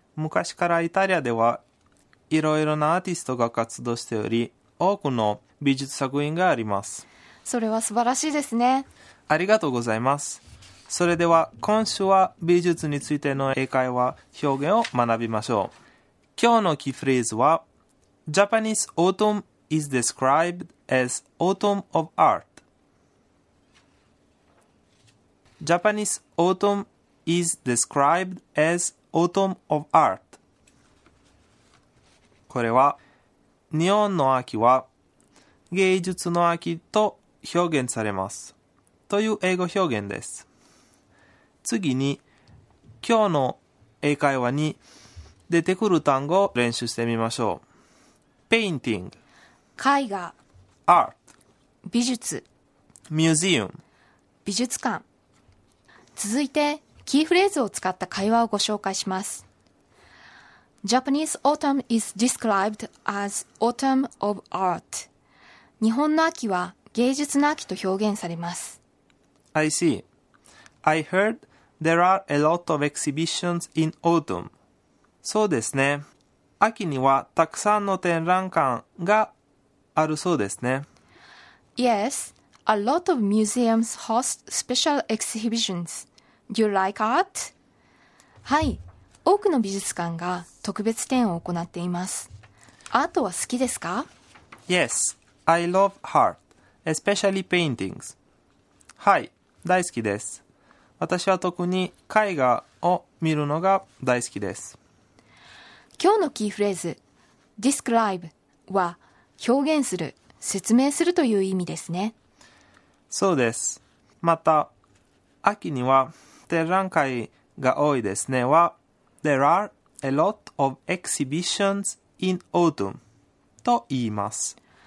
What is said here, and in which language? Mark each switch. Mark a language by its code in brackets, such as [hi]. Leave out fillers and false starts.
[ja] 昔からイタリアではいろいろなアーティストが活動しており、多くの美術作品があります。それは素晴らしいですね。ありがとうございます。それでは今週は美術についての英会話表現を学びましょう。今日のキーフレーズは、 [en] Japanese autumn is described as autumn of art. Japanese autumnis described as autumn of art. [ja] これは日本の秋は芸術の秋と表現されますという英語表現です。次に今日の英会話に出てくる単語を練習してみましょう。 [en] painting [ja] 絵画、 [en] art [ja] 美術、 [en] museum [ja] 美術館。続いてキーフレーズを使った会話をご紹介します。 [en] Japanese autumn is described as autumn of art. [ja] 日本の秋は芸術の秋と表現されます。 [en] I see. I heard there are a lot of exhibitions in autumn. [ja] そうですね。秋にはたくさんの展覧館があるそうですね。 [en] Yes, a lot of museums host special exhibitions. Do you like art? [ja] はい、多くの美術館が特別展を行っています。アートは好きですか? [en] Yes, I love art, especially paintings. [ja] はい、大好きです。私は特に絵画を見るのが大好きです。今日のキーフレーズ、describe は表現する、説明するという意味ですね。そうです。また、秋には展覧会が多いですねは [en] There are a lot of exhibitions in autumn [ja] と言います。